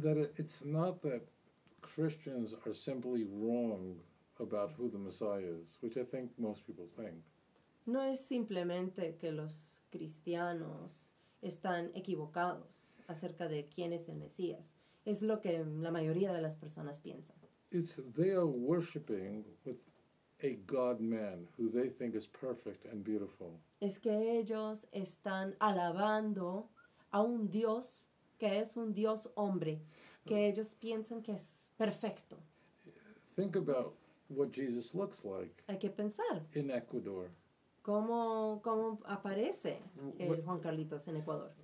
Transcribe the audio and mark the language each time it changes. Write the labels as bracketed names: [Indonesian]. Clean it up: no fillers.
[English] That it's not that Christians are simply wrong about who the Messiah is, which I think most people think. [Spanish] No es simplemente que los cristianos están equivocados acerca de quién es el Mesías. Es lo que la mayoría de las personas piensan. [English] It's they are worshiping with a God-man who they think is perfect and beautiful. [Spanish] Es que ellos están alabando a un Dios que es un Dios hombre, que ellos piensan que es perfecto. [English] Think about what Jesus looks like. [Spanish] Hay que pensar. [English] In Ecuador. [Spanish] ¿Cómo aparece el Juan Carlitos en Ecuador?